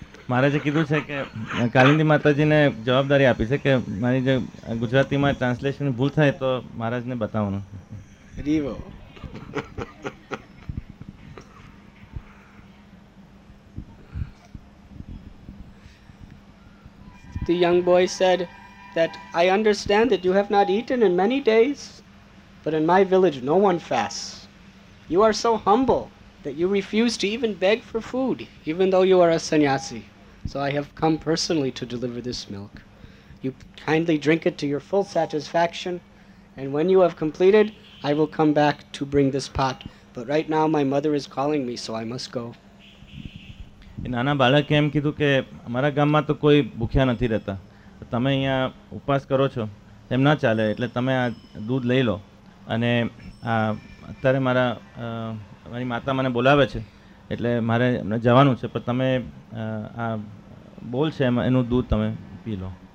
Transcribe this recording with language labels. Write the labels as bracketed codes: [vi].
[gu] મહારાજે કીધું છે કે કાલિંદી માતાજીને જવાબદારી આપી છે કે મારી જે ગુજરાતીમાં ટ્રાન્સલેશન ભૂલ થાય તો મહારાજને બતાવવાનું [en] રીવો The young boy said that I understand that you have not eaten in many days, but in my village no one fasts. You are so humble that you refuse to even beg for food, even though you are a sannyasi. So I have come personally to deliver this milk. You kindly drink it to your full satisfaction, and when you have completed, I will come back to bring this pot. But right now my mother is calling me, so I must go. [gu] નાના બાળકે એમ કીધું કે અમારા ગામમાં તો કોઈ ભૂખ્યા નથી રહેતા, તમે અહીંયા ઉપવાસ કરો છો એમ ના ચાલે, એટલે તમે આ દૂધ લઈ લો અને આ અત્યારે મારી માતા મને બોલાવે છે એટલે મારે એમને જવાનું છે, પણ તમે આ બોલ છે એનું દૂધ તમે પી લો.